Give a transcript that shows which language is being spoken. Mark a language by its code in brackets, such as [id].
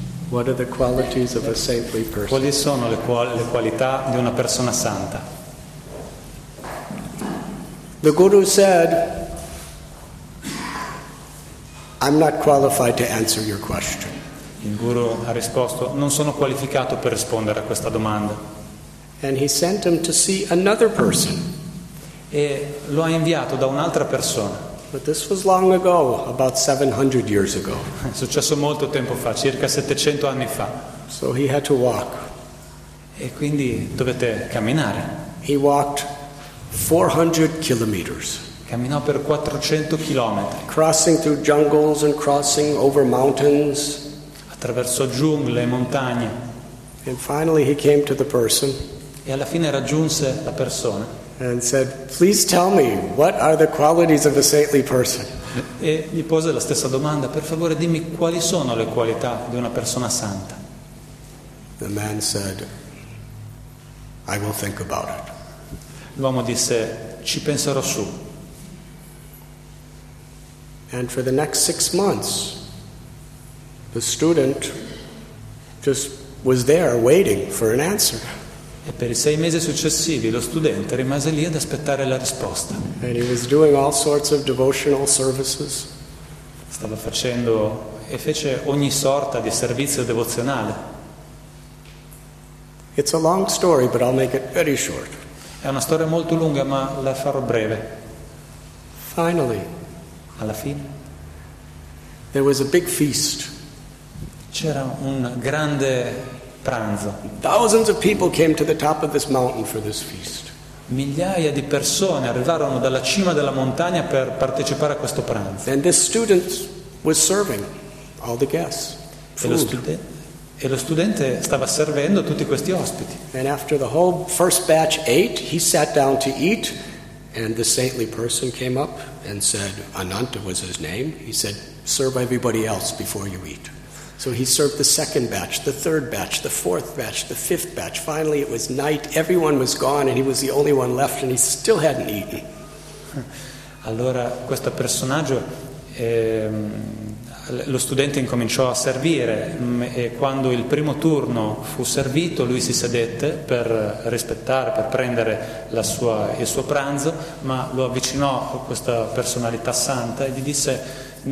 [en] What are the qualities of a saintly person? [it] Quali sono le qualità di una persona santa? [en] The guru said, "I'm not qualified to answer your question." [it] Il guru ha risposto, "Non sono qualificato per rispondere a questa domanda." [en] And he sent him to see another person. [it] E lo ha inviato da un'altra persona. [en] But this was long ago, about 700 years ago. [it] È successo molto tempo fa, circa 700 anni fa. [en] So he had to walk. [it] E quindi dovette camminare. [en] He walked 400 kilometers. [it] Camminò per 400 chilometri. [en] Crossing through jungles and crossing over mountains. [it] Attraverso giungle e montagne. [en] And finally he came to the person. [it] E alla fine raggiunse la persona. [en] And said, "Please tell me, what are the qualities of a saintly person?" [it] E gli pose la stessa domanda, "Per favore dimmi quali sono le qualità di una persona santa." [en] The man said, "I will think about it." [it] L'uomo disse, "Ci penserò su." [en] And for the next 6 months, the student just was there waiting for an answer. [it] E per i sei mesi successivi lo studente rimase lì ad aspettare la risposta. [en] And he was doing all sorts of devotional services. [it] Stava facendo e fece ogni sorta di servizio devozionale. [en] It's a long story, but I'll make it very short. [it] È una storia molto lunga, ma la farò breve. [en] Finally, [it] alla fine, [en] there was a big feast. [it] C'era un grande pranzo. [en] Thousands of people came to the top of this mountain for this feast. [it] Migliaia di persone arrivarono dalla cima della montagna per partecipare a questo pranzo. [en] And this student was serving all the guests. [it] E lo studente stava servendo tutti questi ospiti. [en] And after the whole first batch ate, he sat down to eat, and the saintly person came up and said, Ananta was his name. He said, "Serve everybody else before you eat." So he served the second batch, the third batch, the fourth batch, the fifth batch. Finally it was night, everyone was gone and he was the only one left and he still hadn't eaten. [it] Allora questo personaggio, lo studente incominciò a servire e quando il primo turno fu servito lui si sedette per rispettare, per prendere il suo pranzo, ma lo avvicinò a questa personalità santa e gli disse...